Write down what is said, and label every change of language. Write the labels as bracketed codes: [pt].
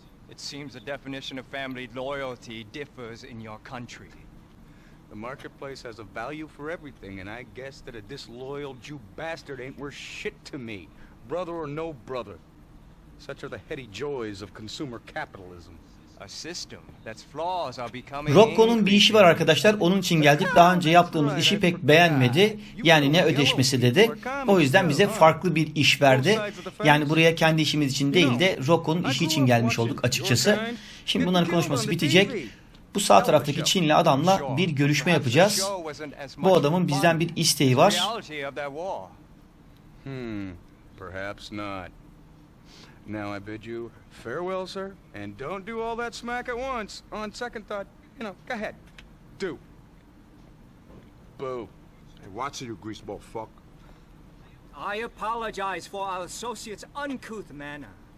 [en] It seems the definition of family loyalty differs in your country. The marketplace has a value for everything, and I guess that a disloyal Jew bastard ain't worth shit to me, brother or no brother. Such are the heady joys of consumer capitalism. A system that's flaws are becoming. [tr] Rocco'nun bir işi var arkadaşlar, onun için geldik. Daha önce yaptığımız işi pek beğenmedi. Yani ne ödeşmesi dedi. O yüzden bize farklı bir iş verdi. Yani buraya kendi işimiz için değil de Rocco'nun işi için gelmiş olduk açıkçası. Şimdi bunların konuşması bitecek. Bu sağ taraftaki Çinli adamla bir görüşme yapacağız. Bu adamın bizden bir isteği var. [en] Perhaps not. Now I bid you farewell, sir, and don't do all that smack at once. On second thought, you know, go ahead. Do. Boo. Hey, watch it, you greaseball fuck. I apologize for our associate's uncouth manner.